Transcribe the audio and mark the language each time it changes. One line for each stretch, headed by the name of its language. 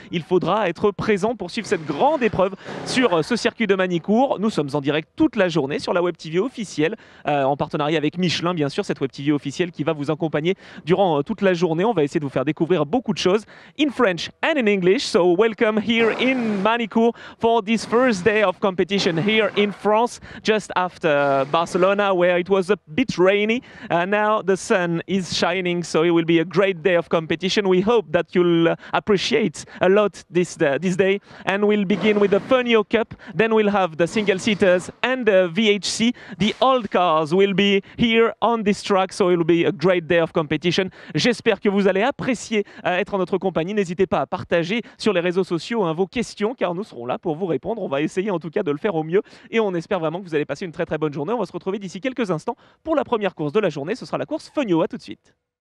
French: Il faudra être présent pour suivre cette grande épreuve sur ce circuit de Magny-Cours. Nous sommes en direct toute la journée sur la Web TV officielle en partenariat avec Michelin, bien sûr, cette Web TV officielle qui va vous accompagner durant toute la journée. On va essayer de vous faire découvrir beaucoup de choses
English: in French and in English. So welcome here in Magny-Cours for this first day of competition here in France, just after Barcelona, where it was a bit rainy. Now the sun is shining, so it will be a great day of competition. We hope that you'll appreciate a lot this day, and we'll begin with the Feugnot Cup. Then we'll have the single seaters and the VHC. The old cars will be here on this track, so it'll be a great day of competition.
French: J'espère que vous allez apprécier être en notre compagnie. N'hésitez pas à partager sur les réseaux sociaux vos questions, car nous serons là pour vous répondre. On va essayer en tout cas de le faire au mieux, et on espère vraiment que vous allez passer une très très bonne journée. On va se retrouver d'ici quelques instants pour la première course de la journée. Ce sera la course Feugnot. À tout de suite.